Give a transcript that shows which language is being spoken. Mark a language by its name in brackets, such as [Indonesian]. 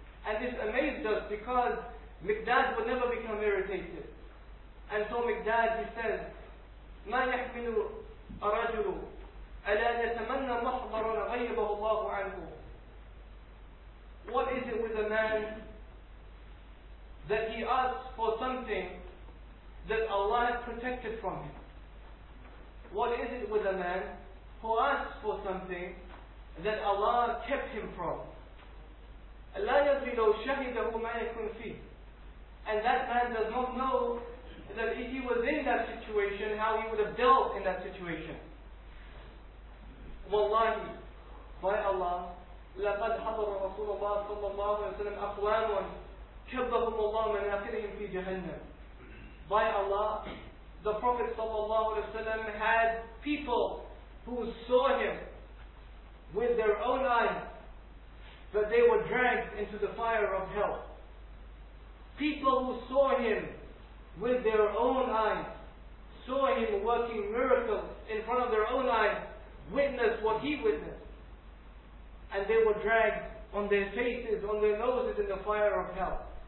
[English] And this amazed us because Miqdad would never become irritated. And so Miqdad, he says, [Arabic] مَا يَحْمِلُ أَرَجُلُ ألا يتمنى محضر غيبه الله عنه. [English] What is it with a man that he asks for something that Allah has protected from him? What is it with a man who asks for something that Allah kept him from? [Arabic] لا يدري لو شهده ما يكون فيه. [English] And that man does not know that if he was in that situation, how he would have dealt in that situation. [Arabic] Wallahi, [English] by Allah, [Arabic] لَقَدْ حَضَرَ رَسُولَ اللَّهِ صَلَّى اللَّهُ عَلَيْهِ وَسَلَّمَ أَقْوَامٌ كَبَّهُمُ اللَّهُ مَنَاكِرِهِمْ فِي جَهَنَّمَ. [English] By Allah, the Prophet sallallahu alaihi wasallam had people who saw him with their own eyes, but they were dragged into the fire of hell. People who saw him with their own eyes, saw him working miracles in front of their own eyes, witnessed what he witnessed, and they were dragged on their faces, on their noses in the fire of hell.